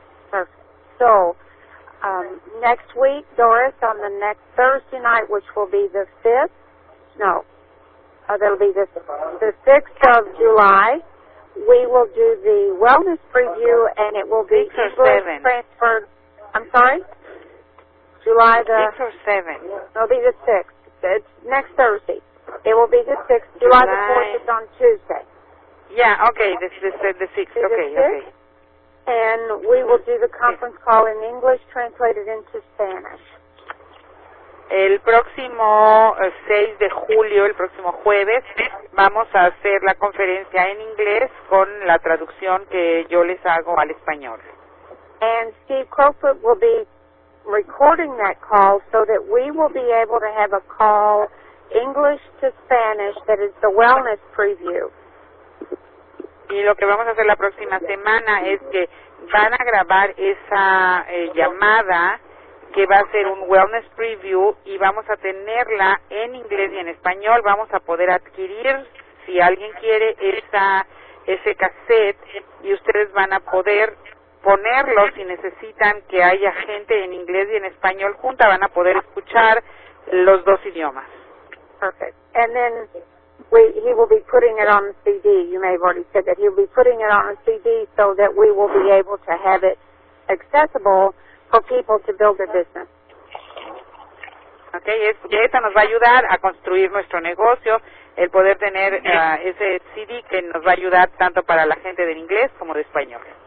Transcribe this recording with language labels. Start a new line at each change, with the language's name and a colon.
English: Perfect. So, next week, Doris, on the next Thursday night, which will be the 5th, no, that'll be the 6th of July, we will do the wellness preview, and it will be six or seven. Transferred. I'm sorry? July the... 6 or 7. It'll be the 6th. It's next Thursday. It will be the 6th. July the 4th is on Tuesday. Yeah, okay, the 6th. Okay, And we will do the conference call in English translated into Spanish.
Spanish: El próximo 6 de julio, el próximo jueves, vamos a hacer la conferencia en inglés con la traducción que yo les hago al español.
English: And Steve Crowfoot will be recording that call so that we will be able to have a call English to Spanish that is the wellness preview.
Spanish: Y lo que vamos a hacer la próxima semana es que van a grabar esa llamada que va a ser un wellness preview y vamos a tenerla en inglés y en español. Vamos a poder adquirir, si alguien quiere, ese cassette y ustedes van a poder ponerlo si necesitan que haya gente en inglés y en español junta. Van a poder escuchar los dos idiomas. Perfect.
English: And then he will be putting it on the CD. You may have already said that. He will be putting it on a CD so that we will be able to have it accessible for people to build their business.
Spanish: Okay, esto nos va a ayudar a construir nuestro negocio, el poder tener ese CD que nos va a ayudar tanto para la gente del inglés como de español.